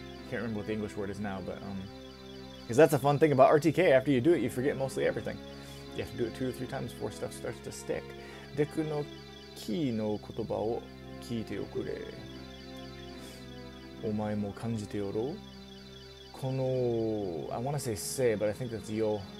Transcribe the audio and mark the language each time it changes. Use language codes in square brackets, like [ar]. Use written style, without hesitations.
[en] Can't remember what the English word is now, but because that's a fun thing about RTK. After you do it, you forget mostly everything. You have to do it 2 or 3 times before stuff starts to stick. [ja] デクのキーの言葉を聞いておくれ。お前も感じておろう。 [en] この、I wanna say say, but I think that's yo.